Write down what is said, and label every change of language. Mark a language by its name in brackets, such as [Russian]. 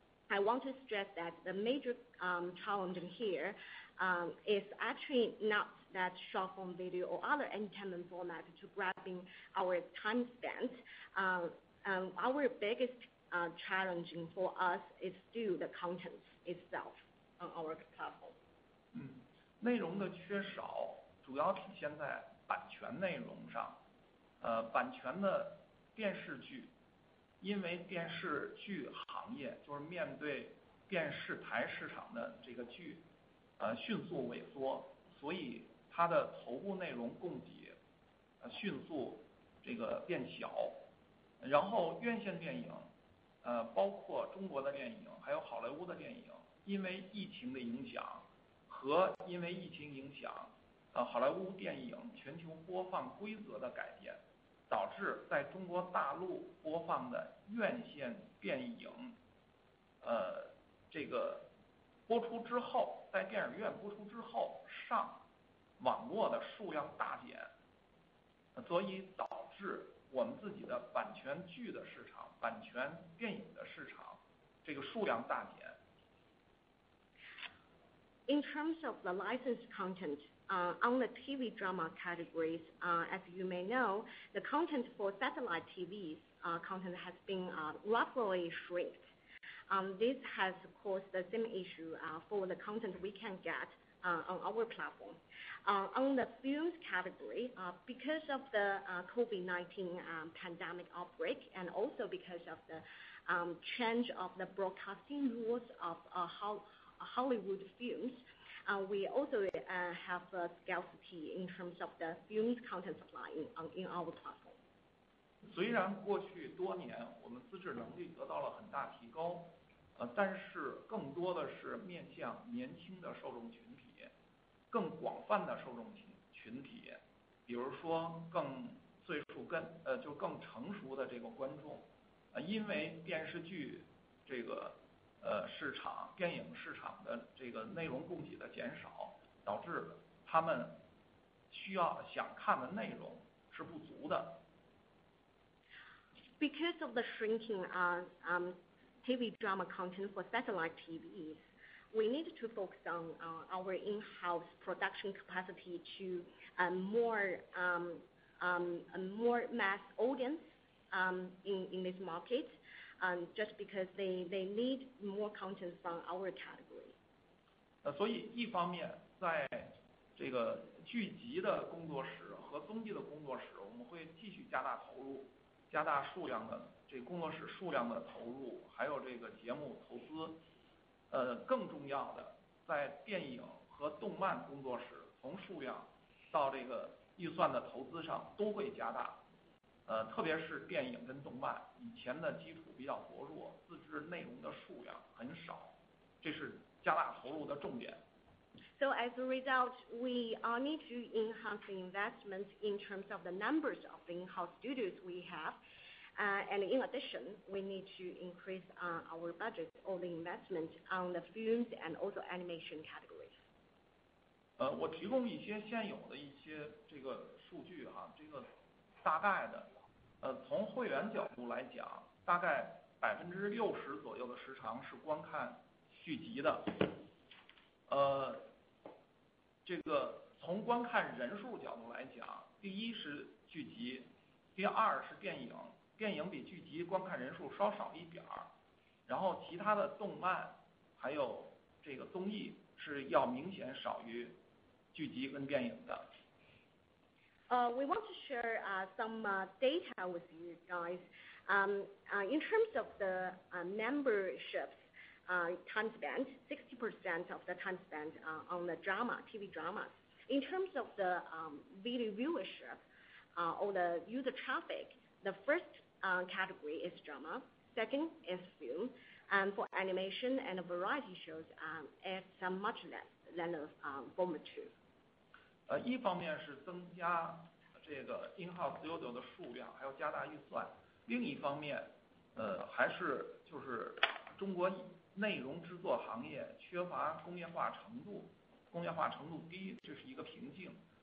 [English] I want to stress that the major challenge here is actually not that short form video or other entertainment format to grabbing our time spent. Our biggest challenging for us is still the content itself on our platform. [Chinese] 内容的缺少主要体现在版权内容上，版权的电视剧，因为电视剧行业就是面对电视台市场的这个剧，迅速萎缩，所以它的头部内容供给，迅速这个变小，然后院线电影，包括中国的电影，还有好莱坞的电影，因为疫情的影响。和因为疫情影响，好莱坞电影全球播放规则的改变，导致在中国大陆播放的院线电影，这个播出之后，在电影院播出之后上网络的数量大减，所以导致我们自己的版权剧的市场、版权电影的市场，这个数量大减。 [English] In terms of the licensed content on the TV drama categories, as you may know, the content for satellite TVs content has been roughly shrinked. This has caused the same issue for the content we can get on our platform. On the films category, because of the COVID-19 pandemic outbreak and also because of the change of the broadcasting rules of how Hollywood films, we also have a scarcity in terms of the films content supply in our platform. [Chinese] 虽然过去多年我们自制能力得到了很大提高，但是更多的是面向年轻的受众群体，更广泛的受众群体，比如说更岁数更就更成熟的这个观众，因为电视剧这个市场，电影市场的这个内容供给的减少，导致他们需要想看的内容是不足的。 [English] Because of the shrinking TV drama content for satellite TVs, we need to focus on our in-house production capacity to more mass audience in this market, just because they need more content from our category. [Chinese] 所以一方面在这个剧集的工作室和综艺的工作室，我们会继续加大投入，加大数量的这工作室数量的投入，还有这个节目投资。更重要的，在电影和动漫工作室，从数量到这个预算的投资上都会加大。特别是电影跟动漫，以前的基础比较薄弱，自制内容的数量很少，这是加大投入的重点。 [English] So as a result, we need to enhance the investment in terms of the numbers of the in-house studios we have. And in addition, we need to increase our budget or the investment on the films and also animation categories. [Chinese] 我提供一些现有的一些这个数据哈，这个大概的，从会员角度来讲，大概60%左右的时长是观看续集的。这个从观看人数角度来讲，第一是剧集，第二是电影，电影比剧集观看人数稍少一点，然后其他的动漫还有这个综艺是要明显少于剧集跟电影的。 [English] We want to share some data with you guys. In terms of the memberships, time spent, 60% of the time spent on the drama, TV dramas. In terms of the video viewership or the user traffic, the first category is drama, second is film, and for animation and variety shows, it's much less than the former two. [Chinese] 一方面是增加这个 [English] in-house studio [Chinese] 的数量，还要加大预算，另一方面还是就是中国内容制作行业缺乏工业化程度，工业化程度低，这是一个瓶颈。